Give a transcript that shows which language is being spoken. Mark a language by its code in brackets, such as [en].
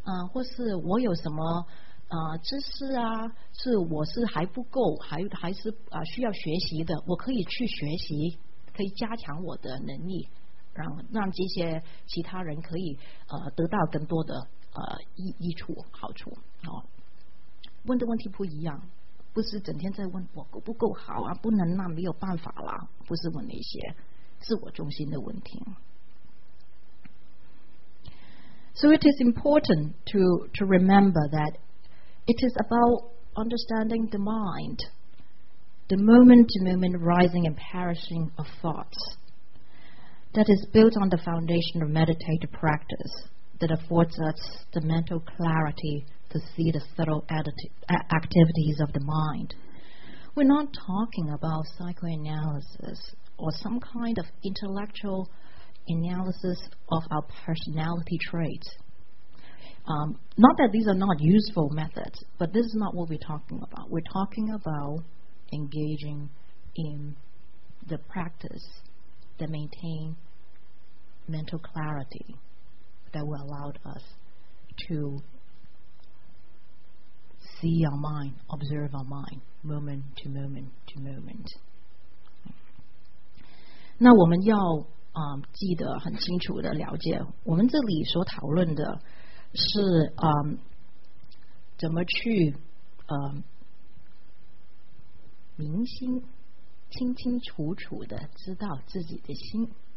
[zh] 或是我有什么知识啊，是我是还不够，还是需要学习的，我可以去学习，可以加强我的能力，让这些其他人可以得到更多的益处好处。好，问的问题不一样，不是整天在问我够不够好啊，不能那没有办法啦，不是问那些自我中心的问题。 [en] So it is important to remember that it is about understanding the mind, the moment to moment rising and perishing of thoughtsThat is built on the foundation of meditative practice that affords us the mental clarity to see the subtle activities of the mind. We're not talking about psychoanalysis or some kind of intellectual analysis of our personality traits. Not that these are not useful methods, but this is not what we're talking about. We're talking about engaging in the practice that maintainmental clarity that will allow us to see our mind, observe our mind moment to moment to moment. [zh] 那我们要记得很清楚的了解，我们这里所讨论的是怎么去明心，清清楚楚的知道自己的心。